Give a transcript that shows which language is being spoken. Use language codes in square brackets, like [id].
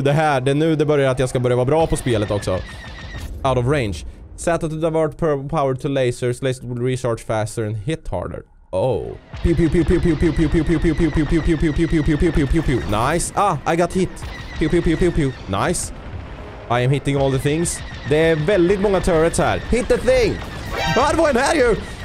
[sv] Det här, det är nu det börjar att jag ska börja vara bra på spelet också. [en] Out of range. Set to divert power to lasers. Lasers will recharge faster and hit harder. Oh. Pew pew pew pew pew pew pew pew pew pew pew pew pew pew pew pew pew pew pew pew pew pew. Nice. Ah, I got hit. Pew pew pew pew pew. Nice. I am hitting all the things. [sv] Det är väldigt många turrets här. [en] Hit the thing. [sv] Vad var det här ju?